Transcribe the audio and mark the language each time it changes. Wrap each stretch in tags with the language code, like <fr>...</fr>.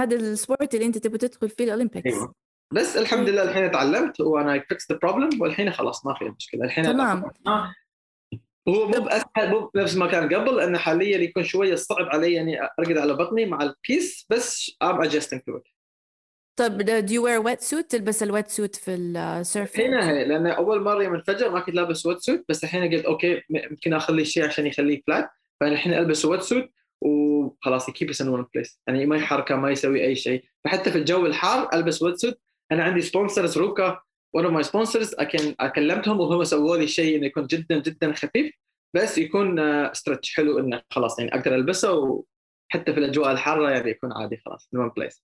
<ar>هذا السبورت اللي أنت تبي تدخل فيه الأولمبيكس. أيوة. بس الحمد لله الحين تعلمت وأنا</ar> <en>fixed the problem</en> <ar>والحين خلاص ما في مشكلة الحين. تمام. هو مو أسهل مو نفس ما كان قبل، أن حاليا يكون شوية صعب علي يعني أرقد على بطني مع الكيس، بس</ar> <en>I'm adjusting to it.</en> <ar>طب</ar> <en>do you wear wet suit؟</en> <ar>تلبس ال wet suit في السيرفين؟ هنا هي، لأن أول مرة يوم الفجر ما كنت لابس wet suit، بس الحين قلت أوكي ممكن أخلي الشيء عشان يخليه flat، فالحين ألبس wet suit وخلاص</ar> <en>keep it in one place،</en> <ar>يعني ما يحركه ما يسوي أي شيء، فحتى في الجو الحار ألبس wet suit. أنا عندي sponsors روكا،</ar> <en>one of my sponsors</en> <ar>أكلمتهم وهم سووا لي شيء إنه يكون جدا جدا خفيف، بس يكون stretch حلو إنه خلاص يعني أقدر ألبسه وحتى في الأجواء الحارة يعني يكون عادي خلاص</ar> <en>in one place.</en>